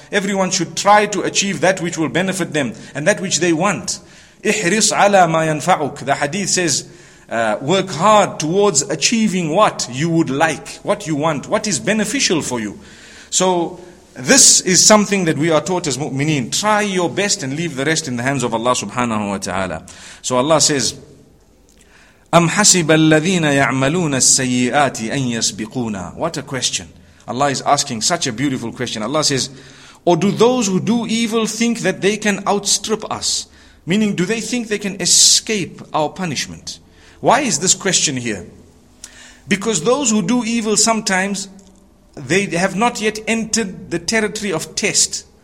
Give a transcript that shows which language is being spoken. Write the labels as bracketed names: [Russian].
[English] Everyone should try to achieve that which will benefit them, and that which they want. [Arabic] إِحْرِصْ عَلَى مَا يَنْفَعُكْ. [English] The hadith says, work hard towards achieving what you would like, what you want, what is beneficial for you. So this is something that we are taught as mu'mineen. Try your best and leave the rest in the hands of Allah subhanahu wa ta'ala. So Allah says, [Arabic] أَمْ حَسِبَ الَّذِينَ يَعْمَلُونَ السَّيِّئَاتِ أَنْ يَسْبِقُونَ. [English] What a question. Allah is asking such a beautiful question. Allah says, or do those who do evil think that they can outstrip us? Meaning, do they think they can escape our punishment? Why is this question here? Because those who do evil sometimes, they have not yet entered the territory of test.